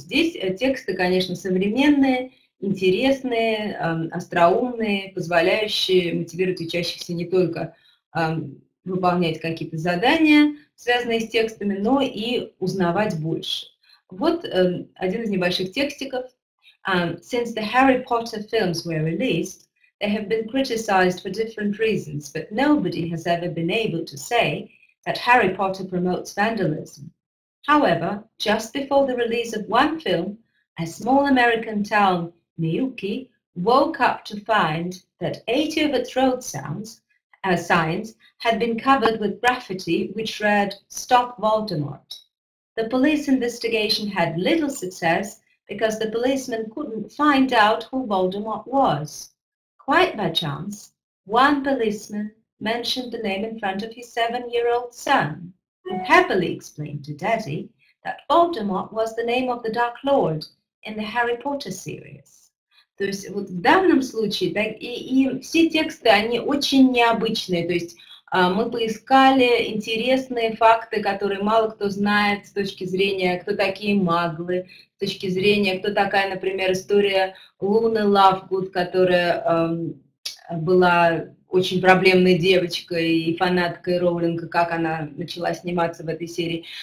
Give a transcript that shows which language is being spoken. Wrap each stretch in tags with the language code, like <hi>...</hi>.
<ru>Здесь тексты, конечно, современные, интересные, остроумные, позволяющие мотивировать учащихся не только выполнять какие-то задания, связанные с текстами, но и узнавать больше. Вот один из небольших текстиков.</ru> <en>Since the Harry Potter films were released, they have been criticized for different reasons, but nobody has ever been able to say that Harry Potter promotes vandalism. However, just before the release of one film, a small American town, Miyuki, woke up to find that 80 of its road signs had been covered with graffiti which read, Stop Voldemort. The police investigation had little success because the policemen couldn't find out who Voldemort was. Quite by chance, one policeman mentioned the name in front of his 7-year-old son, who happily explained to Daddy that Voldemort was the name of the Dark Lord in the Harry Potter series.</en> <ru>То есть вот в данном случае, так, и все тексты, они очень необычные, то есть мы поискали интересные факты, которые мало кто знает с точки зрения, кто такие маглы, с точки зрения, кто такая, например, история Луны Лавгуд, которая была очень проблемной девочкой и фанаткой Роулинга, как она начала сниматься в этой серии.</ru>